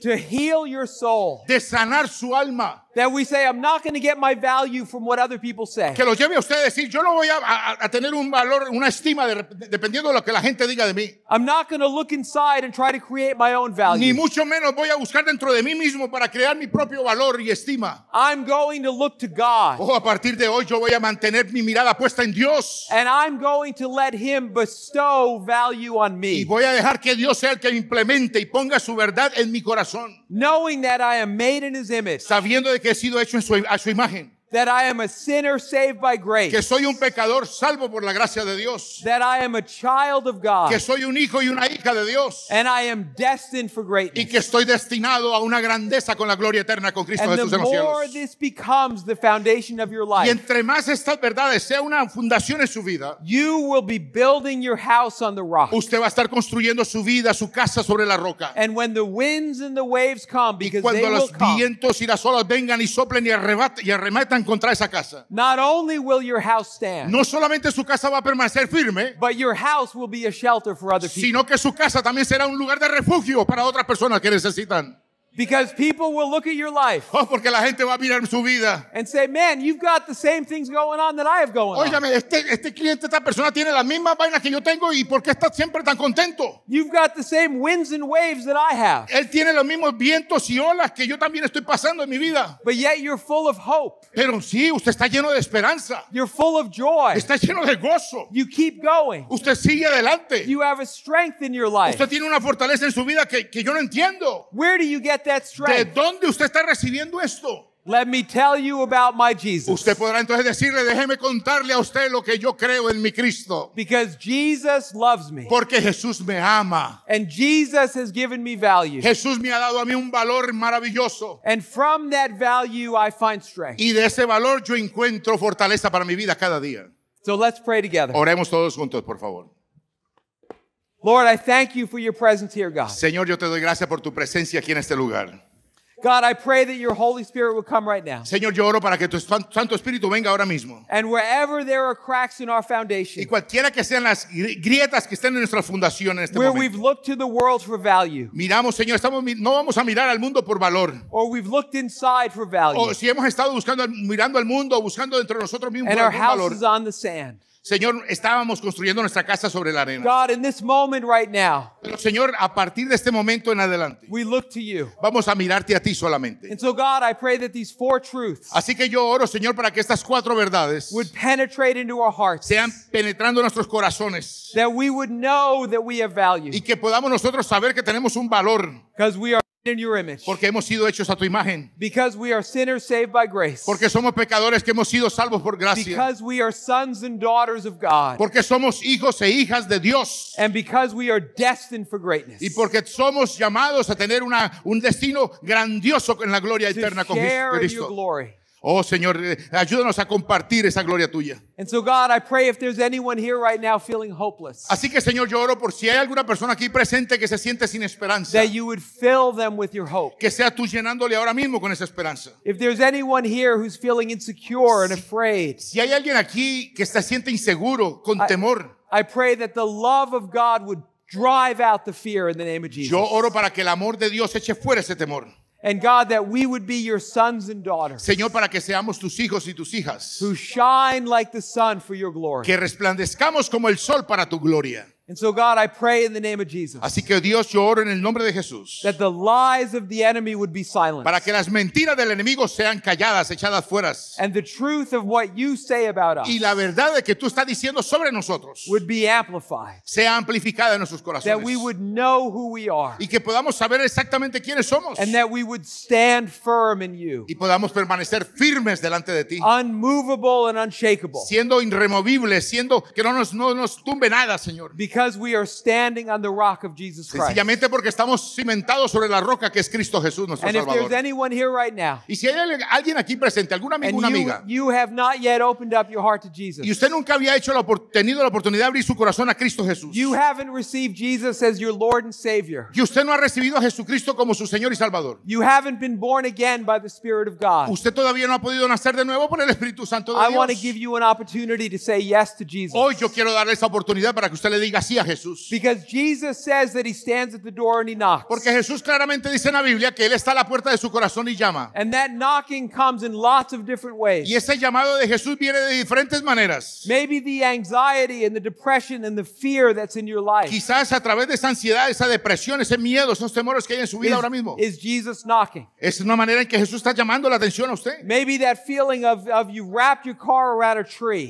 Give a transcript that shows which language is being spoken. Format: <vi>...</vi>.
<en>To heal your soul.</en> <es>De sanar su alma.</es> <en>That we say, I'm not going to get my value from what other people say.</en> <es>Que lo lleve a usted a decir, yo no voy a tener un valor, una estima, dependiendo de lo que la gente diga de mí.</es> <en>I'm not going to look inside and try to create my own value.</en> <es>Ni mucho menos voy a buscar dentro de mí mismo para crear mi propio valor y estima.</es> <en>I'm going to look to God.</en> <es>Oh, a partir de hoy yo voy a mantener mi mirada puesta en Dios.</es> <en>And I'm going to let Him bestow value on me.</en> <es>Y voy a dejar que Dios sea el que implemente y ponga su verdad en mi corazón.</es> <en>Knowing that I am made in His image.</en> <es>Sabiendo de que he sido hecho a su imagen.</es> <en>That I am a sinner saved by grace.</en> <es>Que soy un pecador salvo por la gracia de Dios.</es> <en>That I am a child of God.</en> <es>Que soy un hijo y una hija de Dios.</es> <en>And I am destined for greatness.</en> <es>Y que estoy destinado a una grandeza con la gloria eterna con Cristo Jesús en los cielos.</es> <en>And the more this becomes the foundation of your life.</en> <es>Y entre más estas verdades sea una fundación en su vida.</es> <en>You will be building your house on the rock.</en> <es>Usted va a estar construyendo su vida, su casa sobre la roca.</es> <en>And when the winds and the waves come, because they will come.</en> <es>Y cuando los vientos y las olas vengan y soplen y arrematen. Encontrar esa casa.</es> <en>Not only will your house stand,</en> <es>no solamente su casa va a permanecer firme,</es> <en>but your house will be a shelter for other people.</en> <es>Sino que su casa también será un lugar de refugio para otras personas que necesitan.</es> <en>Because people will look at your life.</en> <es>Oh, porque la gente va a mirar su vida.</es> <en>And say, man, you've got the same things going on that I have going on.</en> <es>Óigame, este cliente, esta persona tiene las mismas vainas que yo tengo y ¿por qué está siempre tan contento?</es> <en>You've got the same winds and waves that I have.</en> <es>Él tiene los mismos vientos y olas que yo también estoy pasando en mi vida.</es> <en>But yet you're full of hope.</en> <es>Pero sí, usted está lleno de esperanza.</es> <en>You're full of joy.</en> <es>Está lleno de gozo.</es> <en>You keep going.</en> <es>Usted sigue adelante.</es> <en>You have a strength in your life.</en> <es>Usted tiene una fortaleza en su vida que yo no entiendo.</es> <en>Where do you get that strength?</en> <es>¿De dónde usted está recibiendo esto?</es> <en>Let me tell you about my Jesus.</en> <es>Usted podrá entonces decirle, déjeme contarle a usted lo que yo creo en mi Cristo.</es> <en>Because Jesus loves me.</en> <es>Porque Jesús me ama.</es> <en>And Jesus has given me value.</en> <es>Jesús me ha dado a mí un valor maravilloso.</es> <en>And from that value I find strength.</en> <es>Y de ese valor yo encuentro fortaleza para mi vida cada día.</es> <en>So let's pray together.</en> <es>Oremos todos juntos, por favor.</es> <en>Lord, I thank you for your presence here, God.</en> <es>Señor, yo te doy gracias por tu presencia aquí en este lugar.</es> <en>God, I pray that your Holy Spirit will come right now.</en> <es>Señor, yo oro para que tu Santo Espíritu venga ahora mismo.</es> <en>And wherever there are cracks in our foundation.</en> <es>Y cualquiera que sean las grietas que estén en nuestra fundación en este</es> <en>where</en> <es>momento.</es> <en>Where we've looked to the world for value.</en> <es>Miramos, Señor, no vamos a mirar al mundo por valor.</es> <en>Or we've looked inside for value.</en> <es>O si hemos estado mirando al mundo, buscando dentro de nosotros mismos</es> <en>and</en> <es>por algún valor.</es> <en>And our house is on the sand.</en> <es>Señor, estábamos construyendo nuestra casa sobre la arena.</es> <en>God, in this moment right now.</en> <es>Pero Señor, a partir de este momento en adelante.</es> <en>We look to you.</en> <es>Vamos a mirarte a ti solamente.</es> <en>And so God, I pray that these four truths.</en> <es>Así que yo oro, Señor, para que estas cuatro verdades.</es> <en>Would penetrate into our hearts.</en> <es>Sean penetrando nuestros corazones.</es> <en>That we would know that we have value.</en> <es>Y que podamos nosotros saber que tenemos un valor.</es> <en>Because we are in your image.</en> <es>Porque hemos sido hechos a tu imagen.</es> <en>Because we are sinners saved by grace.</en> <es>Porque somos pecadores que hemos sido salvos por gracia.</es> <en>Because we are sons and daughters of God.</en> <es>Porque somos hijos e hijas de Dios.</es> <en>And because we are destined for greatness.</en> <es>Y porque somos llamados a tener un destino grandioso en la gloria</es> <en>to</en> <es>eterna con Cristo.</es> <en>To share in your glory.</en> <es>Oh, Señor, ayúdanos a compartir esa gloria tuya.</es> <en>And so, God, I pray if there's anyone here right now feeling hopeless.</en> <es>Así que, Señor, yo oro por si hay alguna persona aquí presente que se siente sin esperanza.</es> <en>That you would fill them with your hope.</en> <es>Que sea tú llenándole ahora mismo con esa esperanza.</es> <en>If there's anyone here who's feeling insecure and afraid.</en> <es>Si hay alguien aquí que se siente inseguro, con temor.</es> <en>I pray that the love of God would drive out the fear in the name of Jesus.</en> <es>Yo oro para que el amor de Dios eche fuera ese temor.</es> <en>And God, that we would be your sons and daughters.</en> <es>Señor, para que seamos tus hijos y tus hijas.</es> <en>Who shine like the sun for your glory.</en> <es>Que resplandezcamos como el sol para tu gloria.</es> <en>And so God, I pray in the name of Jesus.</en> <es>Así que Dios, yo oro en el nombre de Jesús.</es> <en>That the lies of the enemy would be silenced.</en> <es>Para que las mentiras del enemigo sean calladas, echadas fuera.</es> <en>And the truth of what you say about us.</en> <es>Y la verdad de que tú estás diciendo sobre nosotros.</es> <en>Would be amplified.</en> <es>Sea amplificada en nuestros corazones.</es> <en>That we would know who we are.</en> <es>Y que podamos saber exactamente quiénes somos.</es> <en>And that we would stand firm in you.</en> <es>Y podamos permanecer firmes delante de ti.</es> <en>Unmovable and unshakable.</en> <es>Siendo irremovibles, siendo que no nos tumbe nada, Señor.</es> <en>Because we are standing on the rock of Jesus Christ.</en> <es>Sencillamente porque estamos cimentados sobre la roca que es Cristo Jesús, nuestro Salvador.</es> <en>And if there's anyone here right now,</en> <es>y si hay alguien aquí presente, algún amigo,</es> <en>and</en> <es>una amiga,</es> <en>you have not yet opened up your heart to Jesus.</en> <es>Y usted nunca había tenido la oportunidad de abrir su corazón a Cristo Jesús.</es> <en>You haven't received Jesus as your Lord and Savior.</en> <es>Y usted no ha recibido a Jesucristo como su Señor y Salvador.</es> <en>You haven't been born again by the Spirit of God.</en> <es>Usted todavía no ha podido nacer de nuevo por el Espíritu Santo de Dios.</es> <en>I want to give you an opportunity to say yes to Jesus.</en> <es>Hoy yo quiero darle esa oportunidad para que usted le diga.</es> <en>Because Jesus says that he stands at the door and he knocks.</en> <es>Porque Jesús claramente dice en la Biblia que él está a la puerta de su corazón y llama.</es> <en>And that knocking comes in lots of different ways.</en> <es>Y ese llamado de Jesús viene de diferentes maneras.</es> <en>Maybe the anxiety and the depression and the fear that's in your life.</en> <es>Quizás a través de esa ansiedad, esa depresión, ese miedo, esos temores que hay en su vida ahora mismo.</es> <en>Is Jesus knocking?</en> <es>Es una manera en que Jesús está llamando la atención a usted.</es> <en>Maybe that feeling of you wrapped your car around a tree.</en>